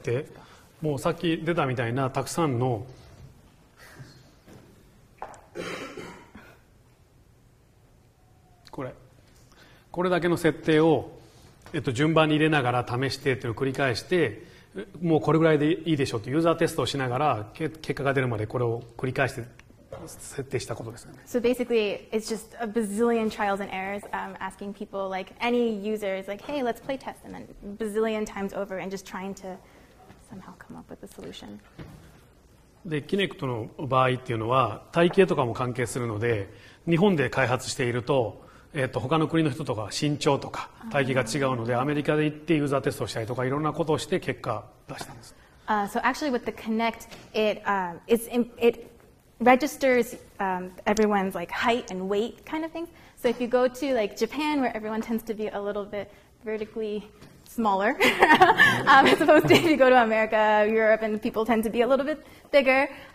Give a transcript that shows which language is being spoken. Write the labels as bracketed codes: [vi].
[ja] 設定、もうさっき出たみたいなたくさんの これだけの設定を、順番に入れながら試してっていうのを繰り返して、もうこれぐらいでいいでしょうとユーザーテストをしながら結果が出るまでこれを繰り返して設定したことですよね。 [en] So basically, it's just a bazillion trials and errors, asking people, like any users, like, hey, let's play test, and then bazillion times over, and just trying to somehow come up with a solution. [ja] で、Kinect の場合っていうのは体型とかも関係するので、日本で開発していると、他の国の人とか身長とか体型が違うので、アメリカで行ってユーザーテストをしたりとかいろんなことをして結果出したんです。 [en] So actually with the Kinect, it registers everyone's like height and weight kind of things. So if you go to like Japan, where everyone tends to be a little bit vertically smaller, as opposed to if you go to America, Europe, and people tend to be a little bit bigger.